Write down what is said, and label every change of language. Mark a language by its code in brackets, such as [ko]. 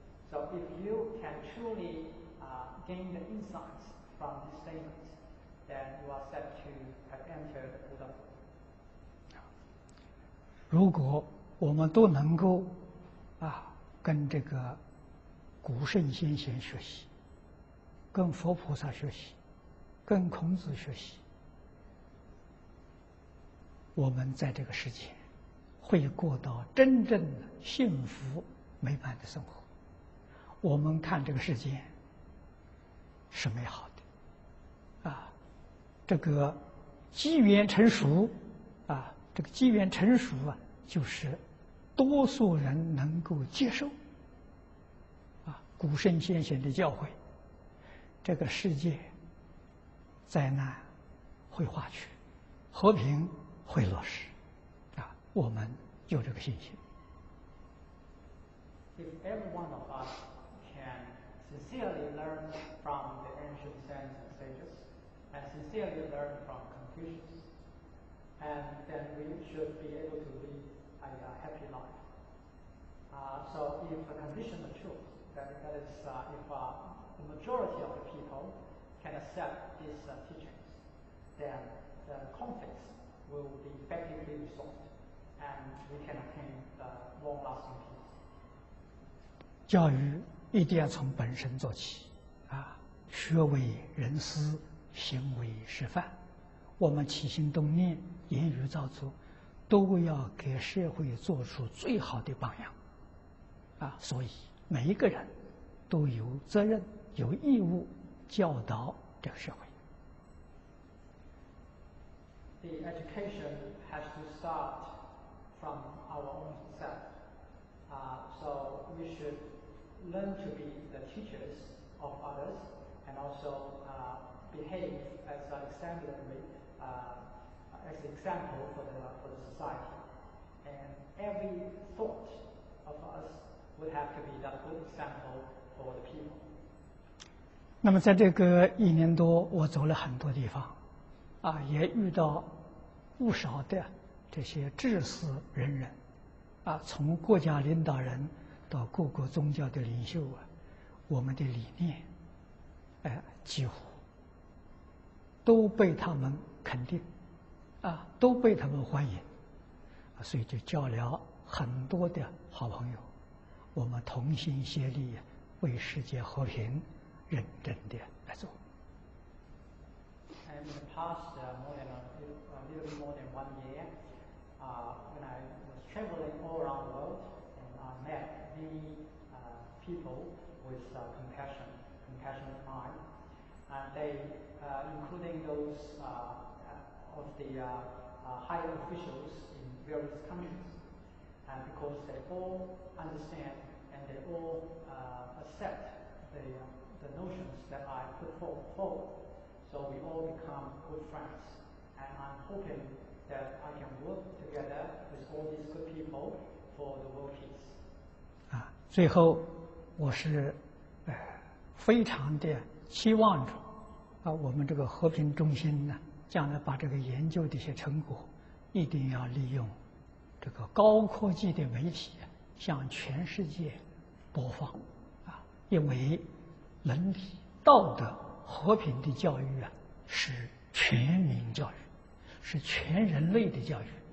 [en] So if you can truly gain the insights from this statement, then you are set to have entered the Buddha. [zh] 如果我们都能够跟这个古圣先贤学习，跟佛菩萨学习，跟孔子学习，我们在这个世界会过到真正的幸福美满的生活。我们看这个世界是美好的这个机缘成熟这个机缘成熟就是多数人能够接受古圣先贤的教诲，这个世界灾难会化去，和平会落实我们有这个信心。 [en] If every one of us can sincerely learn from the ancient saints and sages and sincerely learn from Confucius, and then we should be able to leadA happy life. So if the condition of truth, if the majority of the people can accept these teachings, then the conflicts will be effectively resolved and we can attain the long lasting peace. [zh] 教育一定要从本身做起学为人师，行为示范，我们起心动念，言语造作都要给社会做出最好的榜样所以每一个人都有责任有义务教导这个社会。 [en] The education has to start from our own self. So we should learn to be the teachers of others and also behave as an exemplary as an example for the society. And every thought of us would have to be that good example for the people. [zh] 那么在这个一年多我走了很多地方也遇到不少的这些知识人人从国家领导人到各个宗教的领袖我们的理念几乎都被他们肯定都被他们欢迎所以就交了很多的好朋友，我们同心协力为世界和平认真的来做。 [en] In the past more than 1 year when I was traveling all around the world and I met many people with compassion mind, and they including thoseof the high officials in various countries, and because they all understand and they all accept the notions that I put forward, so we all become good friends. And I'm hoping that I can work together with all these good people for the world peace. [zh] 最后我是非常的期望着我们这个和平中心呢将来把这个研究的一些成果一定要利用这个高科技的媒体向全世界播放因为伦理道德和平的教育是全民教育，是全人类的教育